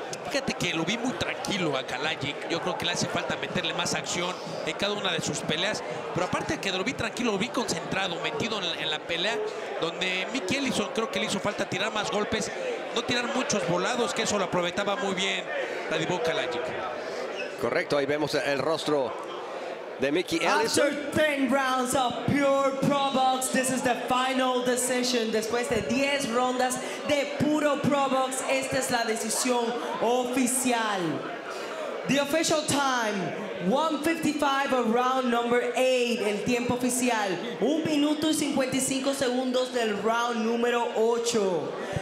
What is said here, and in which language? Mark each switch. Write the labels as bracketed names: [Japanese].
[Spanish] Fíjate que lo vi muy tranquilo a Kalajic. Yo creo que le hace falta meterle más acción en cada una de sus peleas. Pero aparte de que lo vi tranquilo, lo vi concentrado, metido en la pelea, donde Mick Ellison creo que le hizo falta tirar más golpes, no tirar muchos volados, que eso lo aprovechaba muy bien Radivo Kalajic. Correcto, ahí vemos el rostro de Mickey Ellison. [English] After 10 rounds of pure Pro Box, this is the final decision. [Spanish] Después de 10 rondas de puro Pro Box, esta es la decisión oficial. [English] The official time, 1:55 of round number 8. [Spanish] El tiempo oficial, 1 minuto y 55 segundos del round número 8.